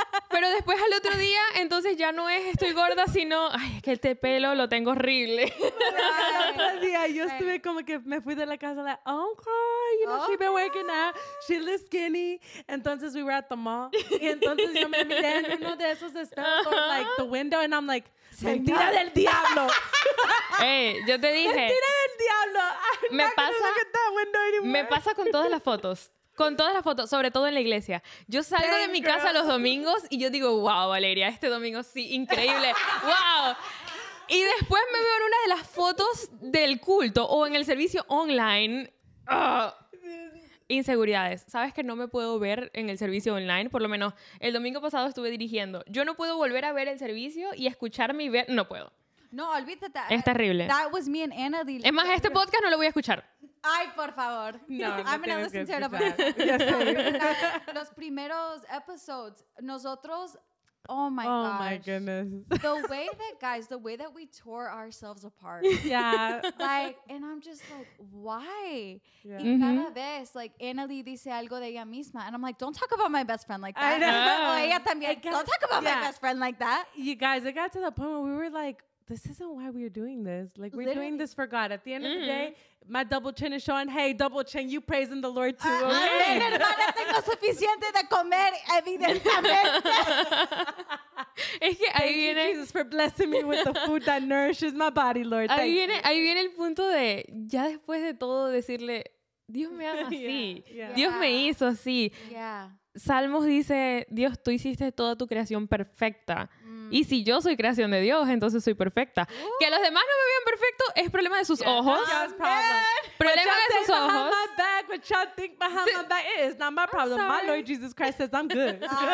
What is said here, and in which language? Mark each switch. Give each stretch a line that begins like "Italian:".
Spanish: Pero después al otro día entonces ya no es estoy gorda, sino, ay, es que este pelo lo tengo horrible. Al otro día yo estuve como que me fui de la casa de uncle.
English: Oh, you know, she's been working out. She looks skinny. Entonces, we were at the mall.
Spanish: Y entonces, yo me miré en uno de esos espejos,
English: like, the window, and I'm like,
Spanish: mentira del diablo. Hey, yo te dije. Mentira del diablo. I'm me
English: not
Spanish: pasa,
English: gonna look at that window anymore.
Spanish: Me pasa con todas las fotos. Con todas las fotos, sobre todo en la iglesia. Yo salgo de mi casa los domingos y yo digo, wow, Valeria, este domingo sí, increíble. Wow. Y después me veo en una de las fotos del culto o en el servicio online. Inseguridades. Sabes que no me puedo ver en el servicio online. Por lo menos el domingo pasado estuve dirigiendo. Yo no puedo volver a ver el servicio y escucharme y ver. No puedo. No, olvídate. Es terrible.
English: That was me and Anna.
Spanish: Es más, este podcast no lo voy a escuchar. Ay, por favor. No,
English: I'm going to listen to it.
Spanish: Los primeros episodes, nosotros.
English: Oh my goodness. The way that we tore ourselves apart. Yeah. Like, and I'm just like, why? Yeah.
Spanish: Mm-hmm. Y cada vez, like, Annalie dice algo de ella misma.
English: And I'm like, don't talk about my best friend like that. I know.
Spanish: Oh, ella también.
English: Don't talk about my best friend like that. You guys, it got to the point where we were like, this isn't why we're doing this. Like, we're literally doing this for God. At the end of the day, my double chin is showing, hey, double chin, you praising the Lord too.
Spanish: Amen, hermana, tengo suficiente de comer, evidentemente. Es que ahí viene...
English: Thank you, Jesus, for blessing me with the food that nourishes my body, Lord.
Spanish: Ahí viene el punto de, ya después de todo, decirle, Dios me ama así. Dios me hizo así. Salmos dice, Dios, tú hiciste toda tu creación perfecta. Y si yo soy creación de Dios, entonces soy perfecta. Ooh. Que los demás no me vean perfecto es problema de sus ojos. Problema de sus ojos.
English: What y'all behind my back, what y'all think behind my back, it is not my problem. My Lord Jesus Christ says I'm good.